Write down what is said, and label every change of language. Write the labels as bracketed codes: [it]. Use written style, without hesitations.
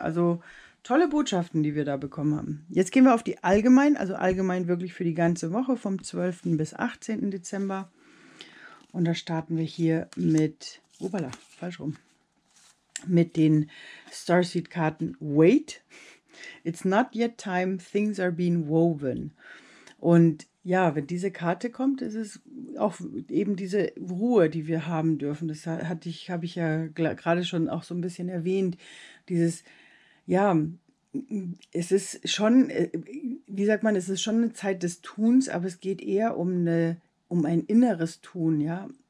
[de] Also tolle Botschaften, die wir da bekommen haben. Jetzt gehen wir auf die allgemein, also allgemein wirklich für die ganze Woche vom 12. bis 18. Dezember. Und da starten wir hier mit, upala, falsch rum, mit den Starseed-Karten Wait. [en] It's not yet time, things are being woven. [de] Und ja, wenn diese Karte kommt, ist es auch eben diese Ruhe, die wir haben dürfen. Das habe ich ja gerade schon auch so ein bisschen erwähnt. Dieses, ja, es ist schon, wie sagt man, es ist schon eine Zeit des Tuns, aber es geht eher um ein inneres Tun, ja.